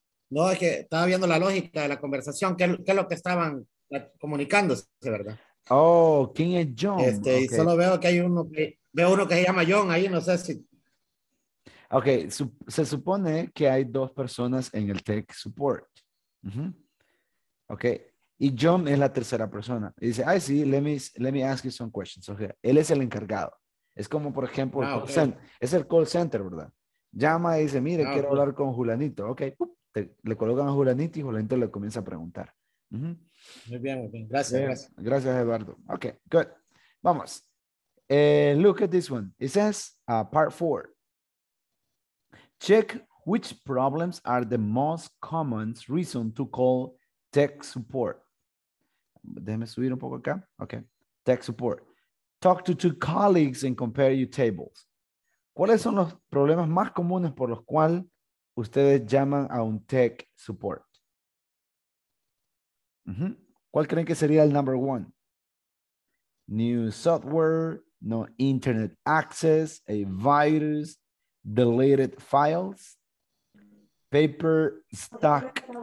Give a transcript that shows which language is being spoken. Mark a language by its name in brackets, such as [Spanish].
[Spanish] No, es que estaba viendo la lógica de la conversación, qué es lo que estaban comunicándose, ¿verdad? Oh, ¿quién es John? Okay. Solo veo que hay uno que se llama John ahí, no sé si. Ok, se supone que hay dos personas en el Tech Support. Uh-huh. Ok, y John es la tercera persona. Y dice, ay, sí, [English] let me ask you some questions. [Spanish] Ok, él es el encargado. Es como, por ejemplo, es el call center, ¿verdad? Llama y dice, mire, quiero hablar con Julanito. Ok, le colocan a Julanito y Julanito le comienza a preguntar. Uh-huh. Muy bien. Gracias. Gracias, Eduardo. [English] Ok, good. [Spanish] Vamos. [English] Look at this one. It says, part four. Check which problems are the most common reason to call tech support. [Spanish] Déjeme subir un poco acá. [English] Okay. Tech support. Talk to two colleagues and compare your tables. [Spanish] ¿Cuáles son los problemas más comunes por los cuales ustedes llaman a un tech support? [English] Uh-huh. [Spanish] ¿Cuál creen que sería el [English] number one? New software, no internet access, a virus, deleted files, paper stuck.